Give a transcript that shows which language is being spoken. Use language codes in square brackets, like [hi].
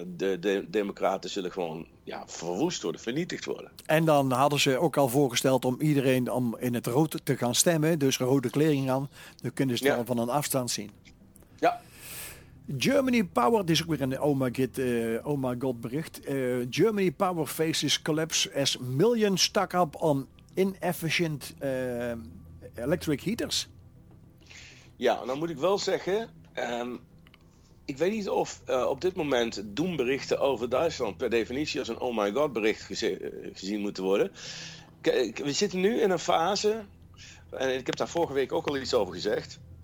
[nl] De Democraten zullen gewoon verwoest worden, vernietigd worden. En dan hadden ze ook al voorgesteld om iedereen om in het rood te gaan stemmen. Dus rode kleding aan. Dan kunnen ze het van een afstand zien. Ja. Germany Power, dit is ook weer een [en] oh my god [nl] bericht. [en] Germany Power faces collapse as millions stack up on inefficient electric heaters. [nl] Ja, dan moet ik wel zeggen, ik weet niet of op dit moment doemberichten over Duitsland per definitie als een [en] oh my god [nl] bericht gezien moeten worden. We zitten nu in een fase, en ik heb daar vorige week ook al iets over gezegd.